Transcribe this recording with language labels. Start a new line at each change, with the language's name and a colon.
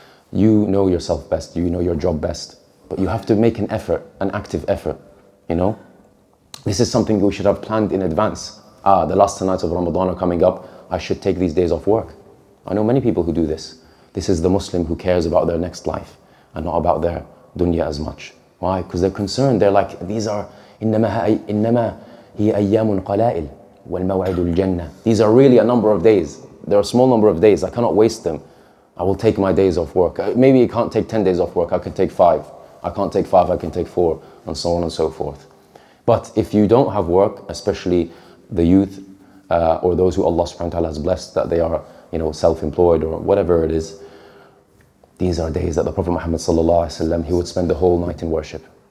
English: You know yourself best. You know your job best. But you have to make an effort, an active effort. You know? This is something we should have planned in advance. The last 10 nights of Ramadan are coming up. I should take these days off work. I know many people who do this. This is the Muslim who cares about their next life and not about their dunya as much. Why? Because they're concerned. They're like, these are
Arabic: إِنَّمَا هِيَ أَيَّامٌ قَلَائِلٌ وَالْمَوْعِدُ الْجَنَّةِ.
English: These are really a number of days. They're a small number of days. I cannot waste them. I will take my days off work. Maybe you can't take 10 days off work. I can take 5. I can't take 5. I can take 4. And so on and so forth. But if you don't have work, especially the youth or those who Allah subhanahu wa ta'ala has blessed that they are, you know, self-employed or whatever it is, these are days that the Prophet Muhammad sallallahu alaihi wasallam, he would spend the whole night in worship.